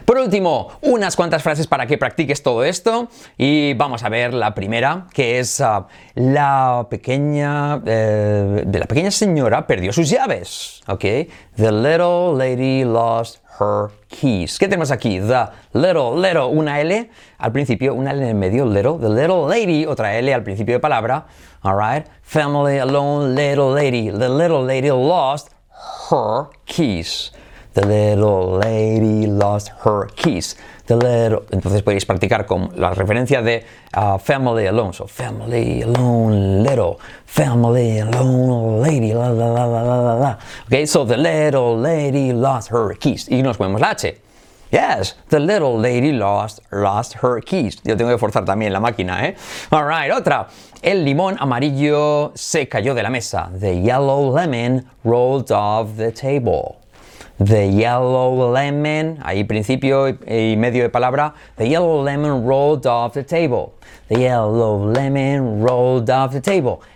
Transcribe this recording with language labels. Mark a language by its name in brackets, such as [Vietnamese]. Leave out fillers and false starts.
[Spanish] Por último, unas cuantas frases para que practiques todo esto. Y vamos a ver la primera, que es la pequeña señora perdió sus llaves. Ok. [English] The little lady lost her keys. [Spanish] ¿Qué tenemos aquí? [English] The little, little, [Spanish] una L al principio, una L en el medio, little. [English] The little lady, [Spanish] otra L al principio de palabra. [English] All right. Family, alone, little lady. The little lady lost her keys. The little lady lost her keys. The little... [Spanish] entonces podéis practicar con la referencia de family alone. [English] So family alone little. Family alone lady. La, la, la, la, la, la. Ok, so the little lady lost her keys. [Spanish] Y nos ponemos la H. [English] Yes, the little lady lost her keys. [Spanish] Yo tengo que forzar también la máquina, ¿eh? [English] All right, [Spanish] otra. El limón amarillo se cayó de la mesa. [English] The yellow lemon rolled off the table. The yellow lemon, [Spanish] ahí principio y medio de palabra. [English] The yellow lemon rolled off the table. The yellow lemon rolled off the table.